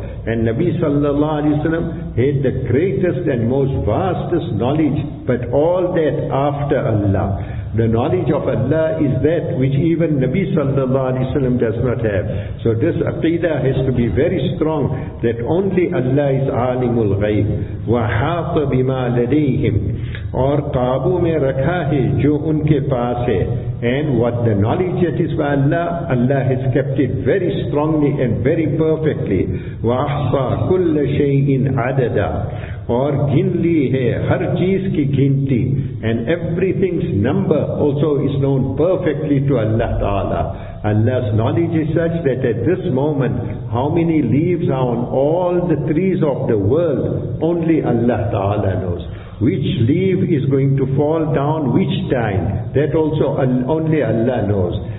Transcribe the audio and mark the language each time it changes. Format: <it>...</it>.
<en>And Nabi sallallahu alayhi wa sallam had the greatest and most vastest knowledge, but all that after Allah. The knowledge of Allah is that which even Nabi sallallahu alayhi wa sallam does not have. So this aqidah has to be very strong, that only Allah is alimul ghaib.</en> <ar>وَحَاطَ بِمَا لَدَيْهِمْ</ar> <ur>اور قابو میں رکھا ہے جو ان کے پاس ہے.</ur> <en>And what the knowledge that is by Allah, Allah has kept it very strongly and very perfectly.</en> <ar>وَأَحْصَى كُلَّ شَيْءٍ عَدَدًا</ar> <ur>اور گن لی ہے ہر چیز کی گنتی.</ur> <en>And everything's number also is known perfectly to Allah Ta'ala. Allah's knowledge is such that at this moment, how many leaves are on all the trees of the world, only Allah Ta'ala knows. Which leaf is going to fall down which time, that also only Allah knows.</en>